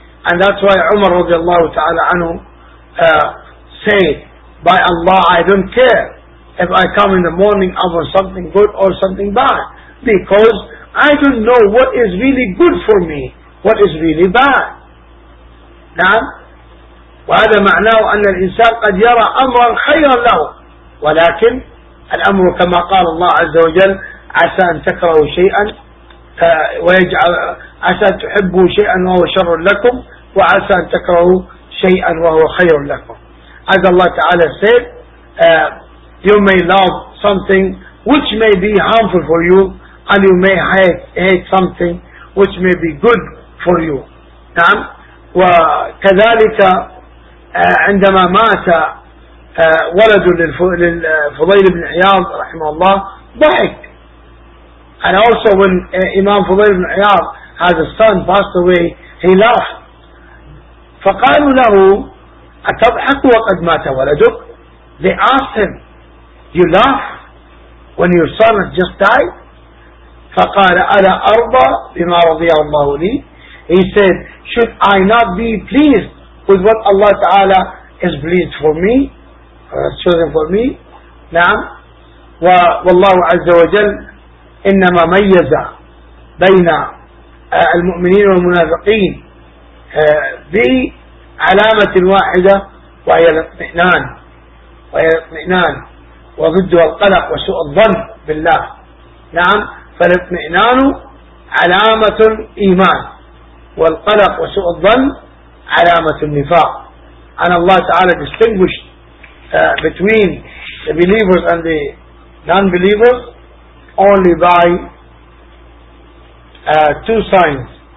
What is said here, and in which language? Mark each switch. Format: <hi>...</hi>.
<en>And that's why عمر</en> <ar>رضي الله تعالى عنه</ar> <en>said, by Allah I don't care if I come in the morning over something good or something bad, because I don't know what is really good for me, what is really bad.</en> <ar>نعم وهذا معناه أن الإنسان قد يرى أمرا خيرا له، ولكن الأمر كما قال الله عز وجل، عسى أن تكرهوا شيئا ويجعل، عسى أن تحبوا شيئا وهو شر لكم، وعسى أن تكرهوا شيئا وهو خير لكم. هذا الله تعالى</ar> <en>said, you may love something which may be harmful for you, and you may hate something which may be good for you.</en> <ar>نعم وكذلك عندما مات ولد للفضيل بن عياض رحمه الله ضحك.</ar> <en>And also when Imam فضيل بن عياض had a son passed away, he laughed.</en> <ar>فقالوا له أتضحك وقد مات ولدك؟</ar> <en>They asked him, you laugh when your son has just died?</en> <ar>فقال ألا أرضى بما رضي الله لي.</ar> <en>He said, should I not be pleased with what Allah Ta'ala is pleased for me, or has chosen for me?</en> <ar>نعم والله عز وجل إنما ميز بين المؤمنين والمنافقين بعلامة واحدة وهي الاطمئنان، وهي الاطمئنان وضد القلق وسوء الظن بالله. نعم فالاطمئنان علامة إيمان، والقلق وسوء الظن علامة النفاق.</ar> <en>And Allah Ta'ala distinguished between the believers and the non-believers only by two signs.</en>